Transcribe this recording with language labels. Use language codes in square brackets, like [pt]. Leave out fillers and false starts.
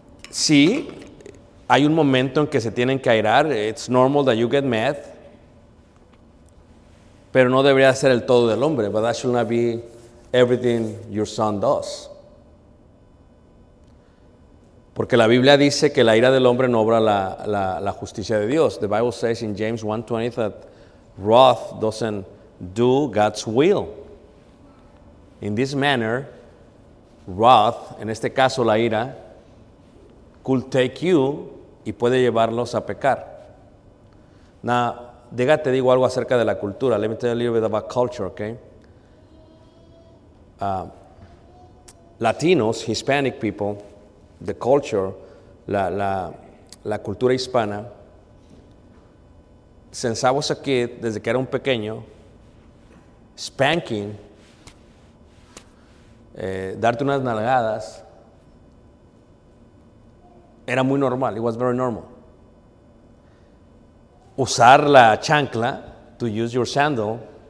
[es] Sí, hay un momento en que se tienen que airar. [en] It's normal that you get mad. [es] Pero no debería ser el todo del hombre. [en] But that should not be everything your son does. [es] Porque la Biblia dice que la ira del hombre no obra la justicia de Dios. [en] The Bible says in James 1:20 that wrath doesn't do God's will. In this manner, wrath, [es] en este caso la ira, [en] could take you [es] y puede llevarlos a pecar. Now, déjate, digo algo acerca de la cultura. [en] Let me tell you a little bit about culture, okay? Latinos, Hispanic people, the culture, [es] la cultura hispana, [en] since I was a kid, [es] desde que era un pequeño, [en] spanking, [es] darte unas nalgadas, era muy normal. [en] It was very normal. [es] Usar la chancla, [en] to use your sandal.